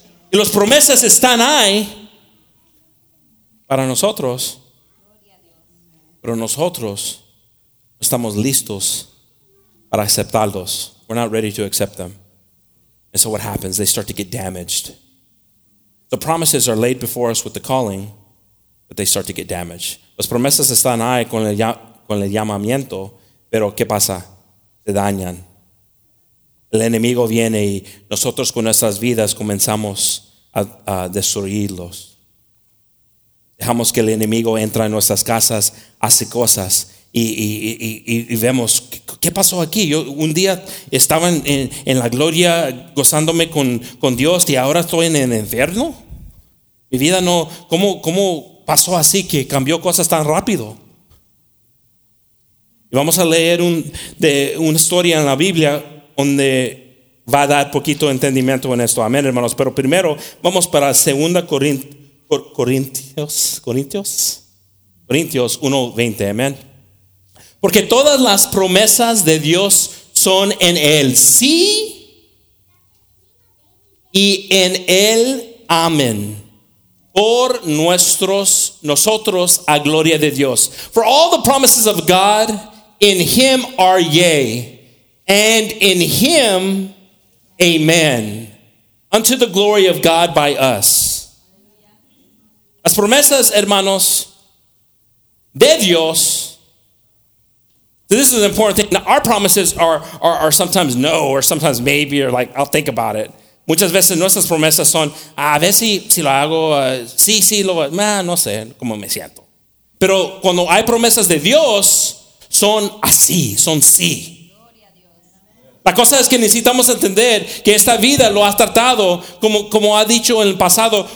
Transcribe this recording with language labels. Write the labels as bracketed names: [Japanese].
[Spanish] Y las promesas están ahí para nosotros, pero nosotros no estamos listos para aceptarlos. [English] We're not ready to accept them. And so what happens? They start to get damaged. The promises are laid before us with the calling, but they start to get damaged. [Spanish] Las promesas están ahí con el llamamiento, pero ¿qué pasa? Se dañan. El enemigo viene y nosotros con nuestras vidas comenzamos a destruirlos. Dejamos que el enemigo entra en nuestras casas, hace cosas y vemos qué pasó aquí. Yo un día estaba en la gloria gozándome con Dios y ahora estoy en el infierno. Mi vida no, ¿cómo pasó así que cambió cosas tan rápido? Y vamos a leer una historia en la Biblia donde va a dar poquito entendimiento en esto. Amén, hermanos. Pero primero vamos para 2 Corintios 1:20. Amén. Porque todas las promesas de Dios son en el sí y en el amén. Por nosotros a gloria de Dios. [English] For all the promises of God in him are yea, and in him amen, unto the glory of God by us. [Spanish] Las promesas, hermanos, de Dios. [English] So this is an important thing. Now, our promises are sometimes no, or sometimes maybe, or like, I'll think about it. [Spanish] Muchas veces nuestras promesas son, a ver si lo hago, sí, lo hago, no sé cómo me siento. Pero cuando hay promesas de Dios, son así, son sí. La cosa es que necesitamos entender que esta vida lo has tratado como ha dicho en el pasado.